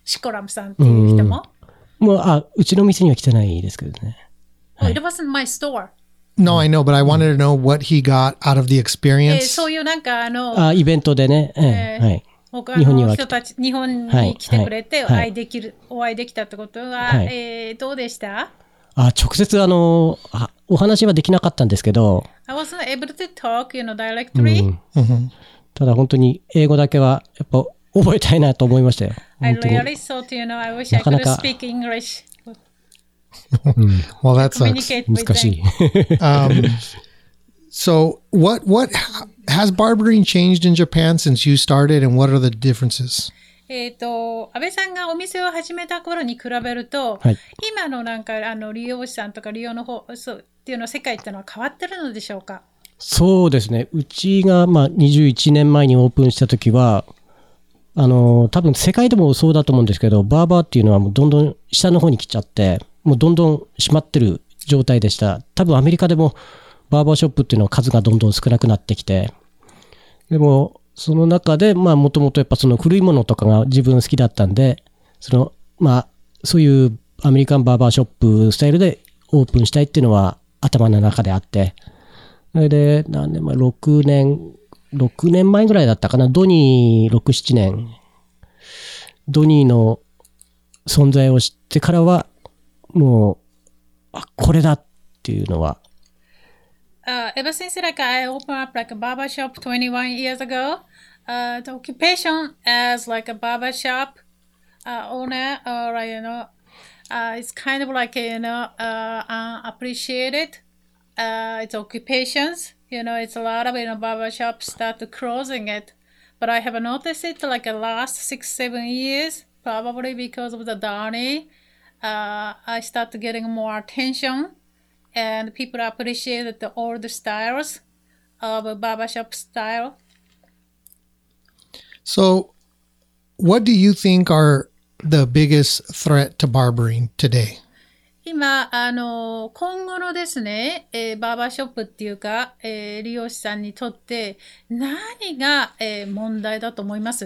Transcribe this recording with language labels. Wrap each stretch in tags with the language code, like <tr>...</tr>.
<ja>シコラムさんっていう人も。うちの店には来てないですけどね。</ja> <en>It wasn't my store. No, I know, but I wanted to know what he got out of the experience.</en> <ja>そういうなんかイベントでね。はい。他の人たち日本に来てくれてお会いできたってことは、はい、どうでした？直接お話はできなかったんですけど、</ja> <en>I wasn't able to talk, you know, directly.</en> <ja>ただ本当に英語だけはやっぱ覚えたいなと思いましたよ。</ja> <en>I really thought, you know, I wish I could speak English. Well, that sucks.</en> <ja>難しい。</ja> <en>So what has barbering changed in Japan since you started, and what are the differences?</en> <ja>安倍さんがお店を始めた頃に比べると、はい、今のなんか利用者さんとか利用の方っていうの世界ってのは変わってるのでしょうか？そうですね。うちが21年前にオープンした時は、多分世界でもそうだと思うんですけど、バーバーっていうのはもうどんどん下の方に来ちゃって、もうどんどん閉まってる状態でした。多分アメリカでも。バーバーショップっていうのは数がどんどん少なくなってきて、でもその中でまあもともとやっぱその古いものとかが自分好きだったんで、そのまあそういうアメリカンバーバーショップスタイルでオープンしたいっていうのは頭の中であって、それで何年前、6年前ぐらいだったかな、ドニー6、7年ドニーの存在を知ってからはもう、あ、これだっていうのは、</ja> <en>Ever since like I opened up like a barber shop 21 years ago, the occupation as like a barber shop owner or you know, it's kind of like you know unappreciated. It's occupations, you know, it's a lot of you know barber shops start closing it. But I have noticed it like the last 6-7 years, probably because of the journey, I start getting more attention and people appreciate the old styles of a barbershop style. So what do you think are the biggest threat to barbering today?</en> <ja>今あの今後のですね、バーバーショップっていうか、利用者さんにとって何が、問題だと思います？</ja>